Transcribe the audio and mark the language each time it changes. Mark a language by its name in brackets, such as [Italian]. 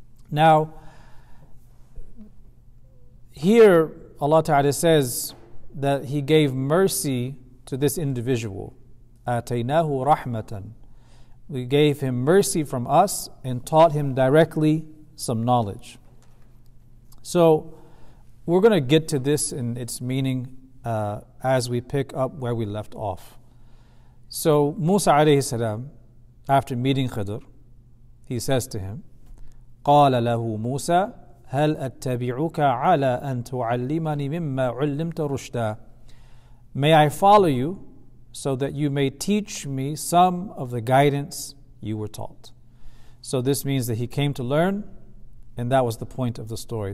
[English] Now, here Allah Ta'ala says that he gave mercy to this individual. Ataynahu rahmatan. We gave him mercy from us and taught him directly some knowledge. So we're going to get to this and its meaning as we pick up where we left off. So Musa alayhi salam, after meeting Khidr, he says to him, [Arabic] قال له موسى هل أتبعك على أن تعلمني مما علمت رشدا. [English] May I follow you so that you may teach me some of the guidance you were taught. So this means that he came to learn, and that was the point of the story.